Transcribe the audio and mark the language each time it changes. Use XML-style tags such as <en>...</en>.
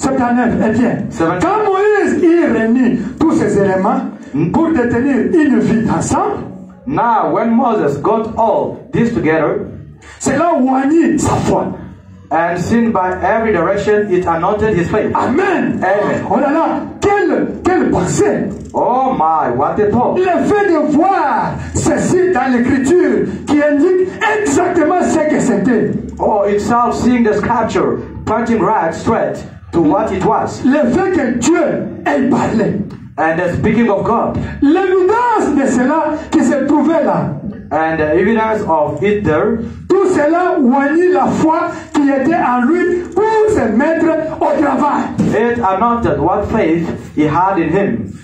<fr>79. Eh bien, 70. Quand Moïse y réunit tous ces éléments pour détenir une vie ensemble.</fr> <en>Now, when Moses got all this together.</en> <fr>Cela oignit sa foi.</fr> <en>And seen by every direction, it anointed his faith. Amen. Amen.</en> <fr>Oh là là, quelle pensée.</fr> <en>Oh my, what a thought.</en> <fr>Le fait de voir ceci dans l'écriture qui indique exactement ce que c'était.</fr> <en>Oh, itself seeing the scripture pointing right straight to what it was.</en> <fr>Le fait que Dieu ait parlé.</fr> <en>And the speaking of God.</en> <fr>L'évidence de cela qui se trouvait là.</fr> <en>And the evidence of it there.</en> <fr>Tout cela oignit la foi qui était en lui pour se mettre au travail.</fr> <en>It anointed what faith he had in him.</en>